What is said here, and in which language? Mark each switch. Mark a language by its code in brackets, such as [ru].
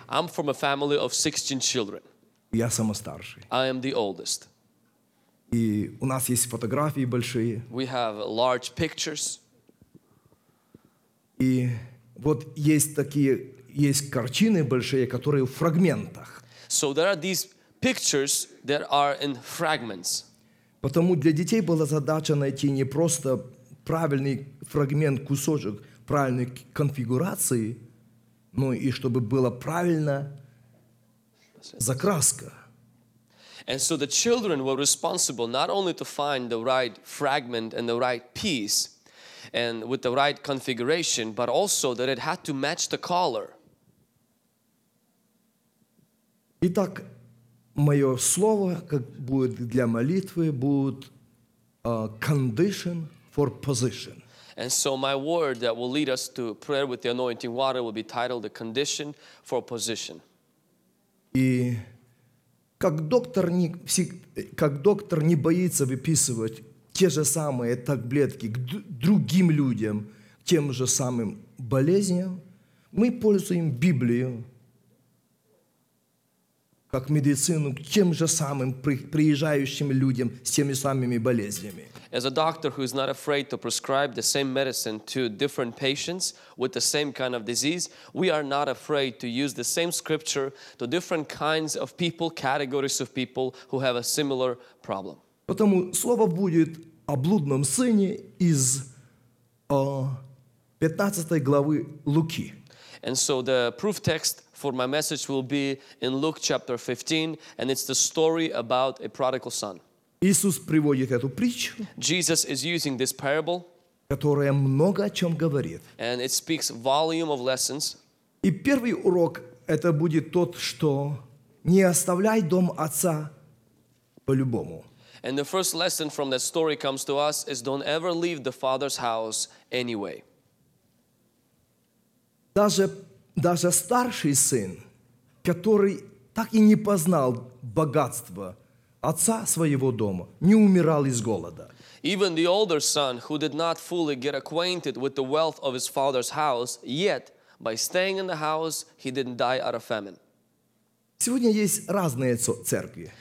[en] I'm from a family of 16 children. [ru] Я самый старший. [en] I am the oldest. [ru] И у нас есть фотографии большие. [en] We have large pictures. [ru] И вот есть картины большие, которые в фрагментах. [en] So there are these pictures that are in fragments. [ru] Потому для детей была задача найти не просто правильный фрагмент, кусочек правильной конфигурации, но и чтобы была правильная закраска. [en] And so the children were responsible not only to find the right fragment and the right piece and with the right configuration, but also that it had to match the color. [ru] Итак, мое слово, как будет для молитвы, будет [en] condition for position. And so my word that will lead us to prayer with the anointing water will be titled The Condition for Position. [ru] И как доктор не боится выписывать те же самые таблетки другим людям, тем же самым болезням, мы пользуем Библию как медицину к тем же самым приезжающим людям с теми самыми болезнями. [en] As a doctor who is not afraid to prescribe the same medicine to different patients with the same kind of disease, we are not afraid to use the same scripture to different kinds of people, categories of people who have a similar problem. [ru] Потому слово будет о блудном сыне из 15 главы Луки. [en] And so the proof text for my message will be in Luke chapter 15, and it's the story about a prodigal son. [ru] Иисус приводит эту притчу, [en] Jesus is using this parable, [ru] которая много о чем говорит. [en] And it speaks volume of lessons. [ru] И первый урок это будет тот, что не оставляй дом отца по-любому. [en] And the first lesson from that story comes to us is don't ever leave the father's house anyway. [ru] Даже старший сын, который так и не познал богатства отца своего дома, не умирал из голода. [en] Even the older son, who did not fully get acquainted with the wealth of his father's house, yet by staying in the house, he didn't die out of famine. [ru] Сегодня есть разные церкви.